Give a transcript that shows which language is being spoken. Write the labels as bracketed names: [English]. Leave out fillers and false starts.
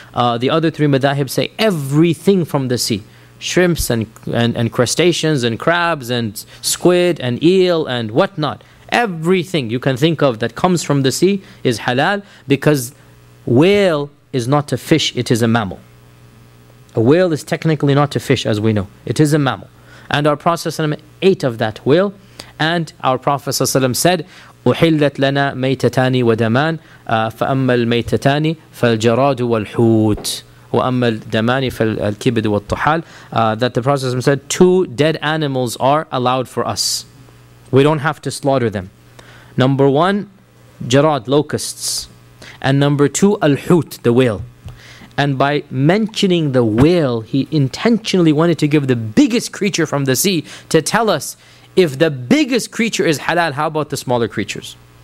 [English] The other three madhab say everything from the sea, shrimps and crustaceans and crabs and squid and eel and whatnot, everything you can think of that comes from the sea is halal, because whale is not a fish, it is a mammal. A whale is technically not a fish as we know, it is a mammal. And our Prophet ﷺ ate of that whale. And our Prophet ﷺ said, [Arabic] أُحِلَّتْ لَنَا مَيْتَتَانِ وَدَمَانِ فَأَمَّا الْمَيْتَتَانِ فَالْجَرَادُ وَالْحُوتِ وَأَمَّا الْدَمَانِ فَالْكِبِدُ وَالطُّحَالِ. [English] That the Prophet ﷺ said, two dead animals are allowed for us. We don't have to slaughter them. Number one, jarad, locusts. And number two, al-hoot, the whale. And by mentioning the whale, he intentionally wanted to give the biggest creature from the sea to tell us, if the biggest creature is halal, how about the smaller creatures?